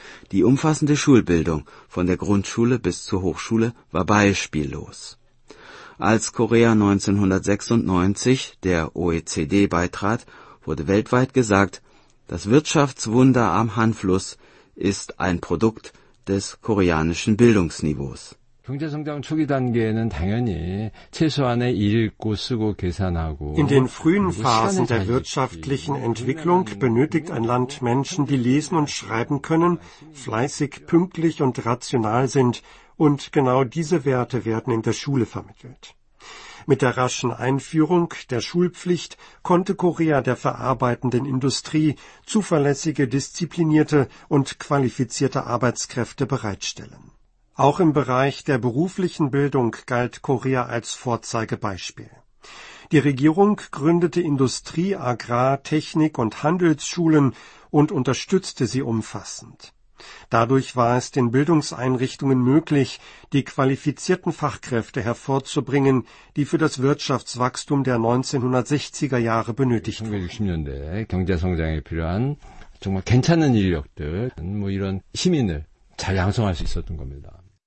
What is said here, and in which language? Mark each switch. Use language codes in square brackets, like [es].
[de] Die umfassende Schulbildung von der Grundschule bis zur Hochschule war beispiellos. Als Korea 1996 der OECD beitrat, wurde weltweit gesagt, das Wirtschaftswunder am Hanfluss ist ein Produkt des koreanischen Bildungsniveaus. [ko] 경제성장 초기 단계에는 당연히 최소한의 읽고 쓰고 계산하고 [de] In den frühen Phasen der wirtschaftlichen Entwicklung benötigt ein Land Menschen, die lesen und schreiben können, fleißig, pünktlich und rational sind. Und genau diese Werte werden in der Schule vermittelt. Mit der raschen Einführung der Schulpflicht konnte Korea der verarbeitenden Industrie zuverlässige, disziplinierte und qualifizierte Arbeitskräfte bereitstellen. Auch im Bereich der beruflichen Bildung galt Korea als Vorzeigebeispiel. Die Regierung gründete Industrie-, Agrar-, Technik- und Handelsschulen und unterstützte sie umfassend. Dadurch war es den Bildungseinrichtungen möglich, die qualifizierten Fachkräfte hervorzubringen, die für das Wirtschaftswachstum der 1960er Jahre benötigt wurden. [ko] 1960년대 경제성장에 필요한 정말 괜찮은 인력들, 뭐 이런 시민을 잘 양성할 수 있었던 겁니다.